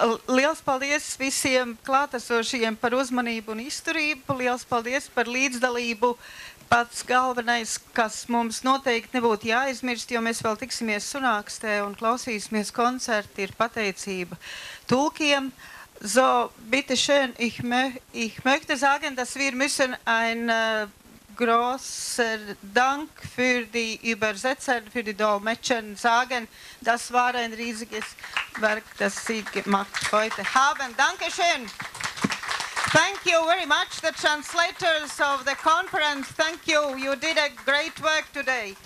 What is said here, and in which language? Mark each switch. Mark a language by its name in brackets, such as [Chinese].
[Latvian] Liels paldies visiem klātesošajiem par uzmanību un izturību. Liels paldies par līdzdalību. Pats galvenais, kas mums noteikti nebūtu jāaizmirst, jo mēs vēl tiksimies sunākstē un klausīsimies koncerti, ir pateicība tulkiem. [German] So, bitte schön. Ich möchte sagen, dass wir müssen ein großer Dank für die Übersetzer, für die Dolmetscher sagen. Das war ein riesiges Werk, das sie gemacht heute haben. Dankeschön. [English] Thank you very much, the translators of the conference. Thank you. You did a great work today.